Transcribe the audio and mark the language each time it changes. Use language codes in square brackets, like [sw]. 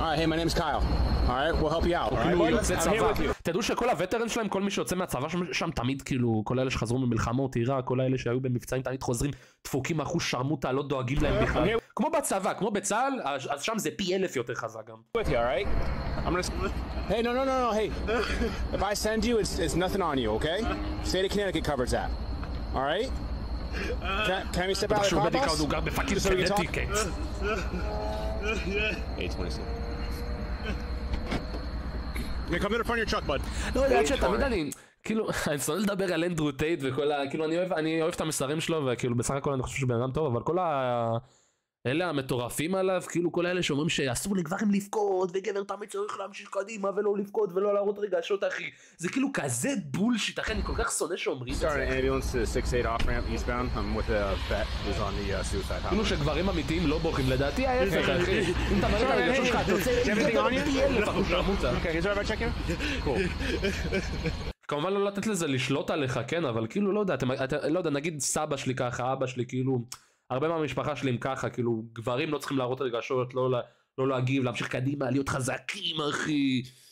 [en] Alright, hey, my name is Kyle. Alright, we'll help you out. [he] כאילו, הוא יוצא צבא. תדעו שכל הווטרן שלהם, כל מי שיוצא מהצבא שם תמיד, כאילו, כל אלה שחזרו ממלחמות, עירה, כל אלה שהיו במבצעים תמיד חוזרים, דפוקים אחו, שרמו אותה, לא דואגים להם בכלל. כמו בצבא, כמו בצהל, אז שם זה פי אלף יותר חזק גם. [en] Hey, no, no, no, no, hey. If I send you, it's nothing on you, okay? State of Connecticut covers that. Alright? Can we step out of the car, boss? [he] הוא גר בפאקינג קונטיקט. [en] Yeah. Come in front of your truck, bud. [he] לא, אני חושב, תמיד אני, כאילו, אני צריך לדבר על אנדרו טייט וכל ה... כאילו, אני אוהב את המסרים שלו, וכאילו, בסך הכל אני חושב שהוא בן אדם טוב, אבל כל ה... אלה המטורפים עליו, כאילו, כל האלה שאומרים שאסור לגברים לבכות, וגבר תמיד צריך להמשיך קדימה ולא לבכות ולא להראות רגשות, אחי. זה כאילו כזה בולשיט, אחי, אני כל כך שונא שאומרים את זה. [en] Starting an ambulance to 68 off ramp eastbound. I'm with a vet who's on the suicide hotline. [he] כאילו שגברים אמיתיים לא בוכים, לדעתי ההפך, אחי. אם אתה מראה את הרגשות שלך, אתה רוצה... [en] Is everything on you? Okay, is everybody checking? Cool. [he] כמובן לא לתת לזה לשלוט עליך, כן, אבל כאילו, לא יודע, נגיד סבא שלי ככה, אבא שלי, כאילו... הרבה מהמשפחה שלי הם ככה, כאילו, גברים לא צריכים להראות הרגשות, לא להגיב, להמשיך קדימה, להיות חזקים, אחי.